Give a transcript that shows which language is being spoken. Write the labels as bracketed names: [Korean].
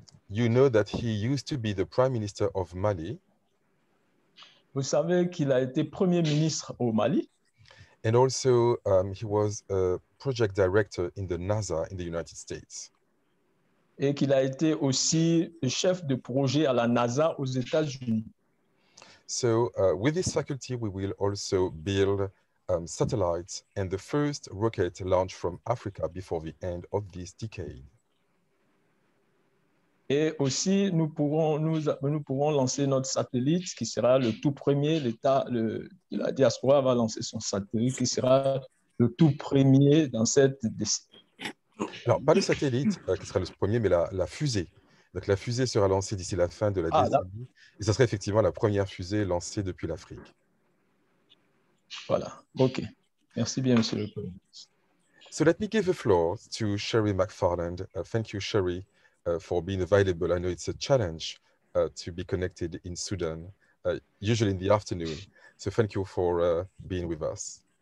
[English] You know that he used to be the Prime Minister of Mali. [French] Vous savez qu'il a été Premier ministre au Mali. [English] And also he was a project director in the NASA in the United States. [French] Et qu'il a été aussi le chef de projet à la NASA aux États-Unis. [English] So with this faculty, we will also build satellites and the first rocket launch from Africa before the end of this decade. [French] Et aussi, nous pourrons lancer notre satellite qui sera le tout premier, la diaspora va lancer son satellite qui sera le tout premier dans cette décennie. Alors, pas le satellite qui sera le premier, mais la fusée. Donc, la fusée sera lancée d'ici la fin de la décennie. Là. Et ça sera effectivement la première fusée lancée depuis l'Afrique. Voilà. OK. Merci bien, Monsieur le Premier ministre. [English] So, let me give the floor to Sherry McFarland. Thank you, Sherry, for being available. I know it's a challenge to be connected in Sudan, usually in the afternoon. So, thank you for being with us.